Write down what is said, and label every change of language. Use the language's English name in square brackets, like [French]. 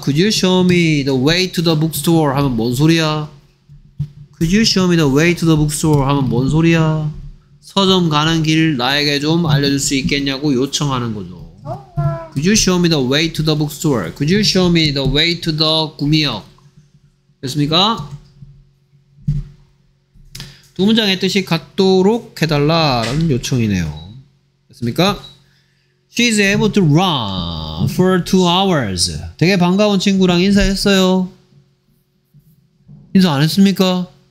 [English] Could you show me the way to the bookstore? [Korean] 하면 뭔 소리야? [English] Could you show me the way to the bookstore? [Korean] 하면 뭔 소리야? 서점 가는 길 나에게 좀 알려줄 수 있겠냐고 요청하는 거죠. [English] Could you show me the way to the bookstore? Could you show me the way to the 구미역? [Korean] 됐습니까? 두 문장의 뜻이 같도록 해달라라는 요청이네요. 됐습니까? [English] She's able to run for 2 hours. [Korean] 되게 반가운 친구랑 인사했어요. 인사 안 했습니까?